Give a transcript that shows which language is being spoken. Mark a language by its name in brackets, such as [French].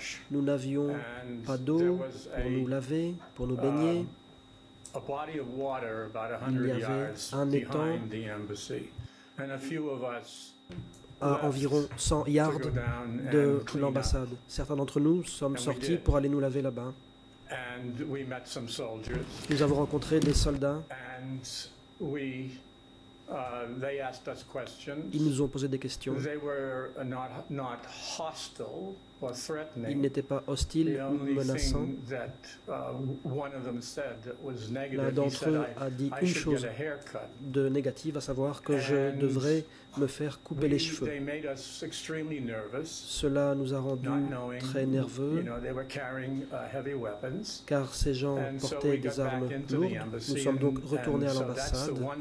[French] Nous n'avions pas d'eau pour nous laver, pour nous baigner. [English] A body of water about 100 yards behind the embassy. And a few of us [French] à environ 100 yards de l'ambassade. Certains d'entre nous sommes sortis pour aller nous laver là-bas. [English] And we met some soldiers. [French] Nous avons rencontré des soldats. [English] And we, they asked us questions. [French] Ils nous ont posé des questions. [English] They were not hostile or threatening. [French] Ils n'étaient pas hostiles ou menaçants. [English] That, one of them said that was negative. [French] L'un d'entre eux a dit une chose de négative, à savoir que je devrais me faire couper les cheveux. [English] They made us extremely nervous, [French] cela nous a rendus très nerveux, [English] you know, they were carrying, heavy weapons, [French] car ces gens portaient des armes lourdes. Nous sommes donc retournés à l'ambassade.